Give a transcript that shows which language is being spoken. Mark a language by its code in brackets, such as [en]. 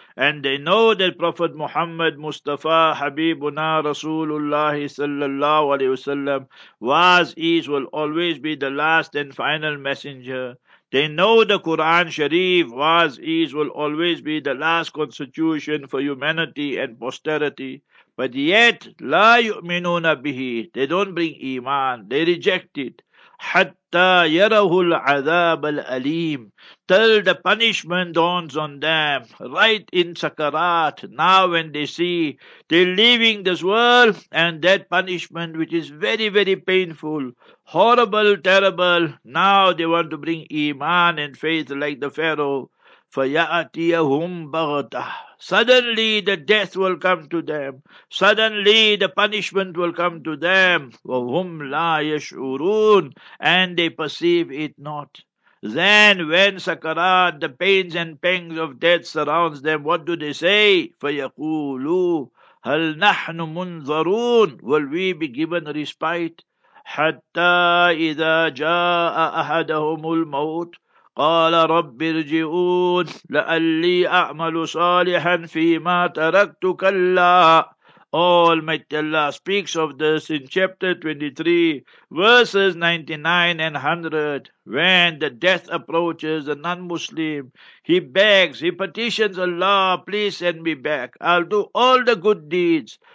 [en] And they know that Prophet Muhammad Mustafa Habibuna Rasulullah sallallahu alayhi wasallam was, is, will always be the last and final messenger. They know the Quran Sharif was, is, will always be the last constitution for humanity and posterity. But yet, [ar] لا يؤمنون به. [en] They don't bring Iman. They reject it. [ar] حتى يره العذاب الأليم. [en] Till the punishment dawns on them. Right in Sakarat. Now when they see, they're leaving this world, and that punishment, which is very, very painful, horrible, terrible, now they want to bring Iman and faith like the Pharaoh. [ar] فَيَأَتِيَهُمْ بَغْتَهُ. [en] Suddenly the death will come to them. Suddenly the punishment will come to them. [ar] وَهُمْ لَا يَشْعُرُونَ. [en] And they perceive it not. Then when Sakarat, the pains and pangs of death surrounds them, what do they say? [ar] فَيَقُولُوا هَلْ نَحْنُ مُنْظَرُونَ. [en] Will we be given respite? [ar] حَتَّى إِذَا جَاءَ أَحَدَهُمُ الْمَوْتُ قال رب ارجعون لألي أعمل صالحا فيما تركت كلا. [en] Almighty Allah speaks of this in chapter 23, verses 99 and 100. When the death approaches a non-Muslim, he begs, he petitions Allah, please send me back. I'll do all the good deeds.